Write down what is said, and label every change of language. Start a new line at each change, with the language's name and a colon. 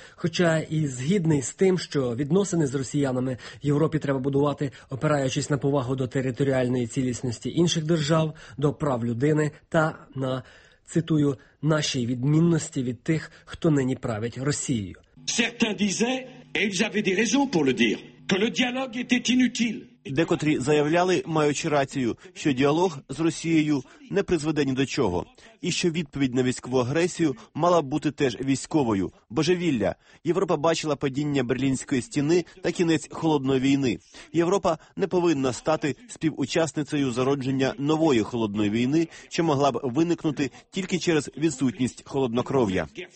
Ukrainian: Хоча і згідний з тим, що відносини з росіянами Європі треба будувати, опираючись на повагу до територіальної цілісності інших держав, до прав людини та на, цитую, «нашій відмінності від тих, хто нині править Росією».
French: Certains disaient, et ils avaient des raisons pour le dire, que le dialogue était inutile.
Ukrainian: Декотрі заявляли, маючи рацію, що діалог з Росією не призведе ні до чого, і що відповідь на військову агресію мала б бути теж військовою. Божевілля. Європа бачила падіння Берлінської стіни та кінець холодної війни. Європа не повинна стати співучасницею зародження нової холодної війни, що могла б виникнути тільки через відсутність холоднокров'я.